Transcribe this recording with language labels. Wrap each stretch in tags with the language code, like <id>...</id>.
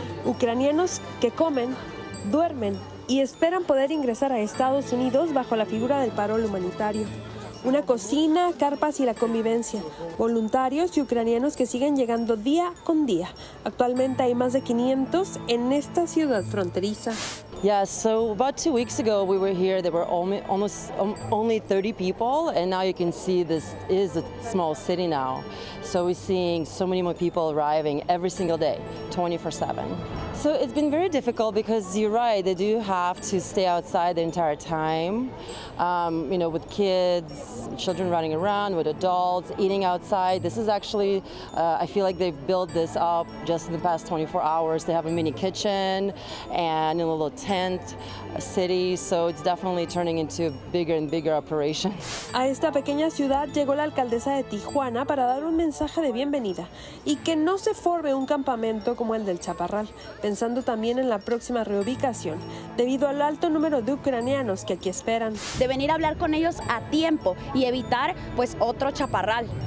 <es>Ucranianos que comen, duermen y esperan poder ingresar a Estados Unidos bajo la figura del parol humanitario. Una cocina, carpas y la convivencia. Voluntarios y ucranianos que siguen llegando día con día. Actualmente hay más de 500 en esta ciudad fronteriza.</es> <en>Yeah, so about 2 weeks ago we were here. There were only 30 people, and now you can see this is a small city now. So we're seeing so many more people arriving every single day, 24/7. So it's been very difficult because you're right, they do have to stay outside the entire time, you know, with kids, children running around, with adults, eating outside. This is actually, I feel like they've built this up just in the past 24 hours. They have a mini kitchen and a little tent city, so it's definitely turning into a bigger and bigger operation.</en> <es>A esta pequeña ciudad llegó la alcaldesa de Tijuana para dar un mensaje de bienvenida y que no se forme un campamento como el del Chaparral, pensando también en la próxima reubicación, debido al alto número de ucranianos que aquí esperan. De venir a hablar con ellos a tiempo y evitar pues otro Chaparral.</es>